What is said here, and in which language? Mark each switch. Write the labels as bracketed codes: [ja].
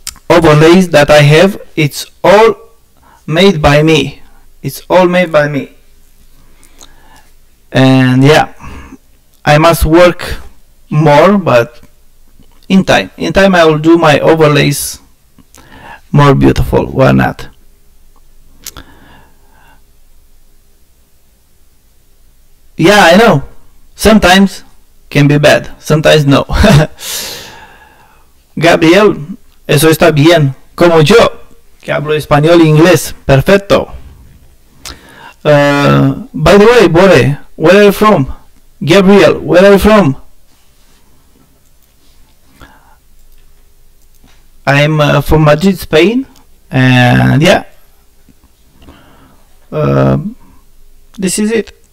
[en] Overlays that I have, it's all made by me, and yeah, I must work more, but in time I will do my overlays more beautiful. Why not? Yeah, I know, sometimes can be bad, sometimes no. [es] Gabriel, eso está bien, como yo, que hablo español e inglés, perfecto. [en] By the way, Bore, where are you from? Gabriel, where are you from? I'm from Madrid, Spain, and yeah, this is it.